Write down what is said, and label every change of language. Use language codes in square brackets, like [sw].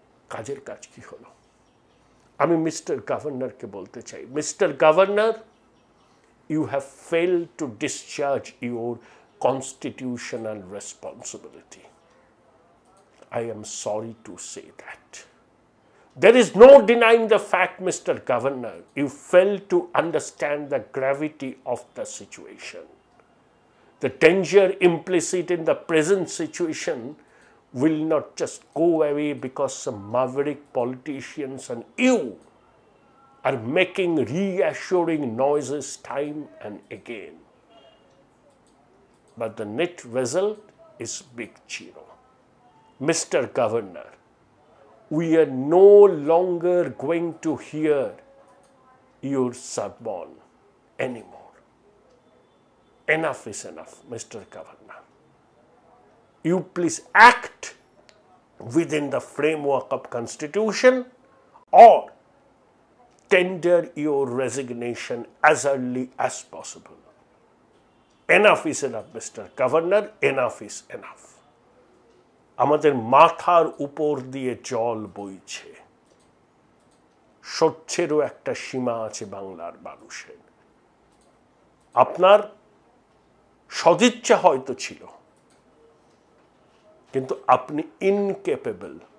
[bn] কাজের কাজ কি হলো? আমি মিস্টার গভর্নরকে বলতে চাই, [en] Mister governor, you have fail to discharge your constitutional responsibility, I am sorry to say that. There is no denying the fact, Mr. Governor, you failed to understand the gravity of the situation. The danger implicit in the present situation will not just go away because some maverick politicians and you are making reassuring noises time and again. But the net result is big zero. Mr. Governor, we are no longer going to hear your sermon anymore. Enough is enough, Mr. Governor. You please act within the framework of constitution or tender your resignation as early as possible. Enough is enough, Mr. Governor, enough is enough. [bn] আমাদের মাথার উপর দিয়ে জল বইছে, সহ্যেরও একটা সীমা আছে বাংলার মানুষের। আপনার সদিচ্ছা হয়তো ছিল, কিন্তু আপনি ইনকেপেবল।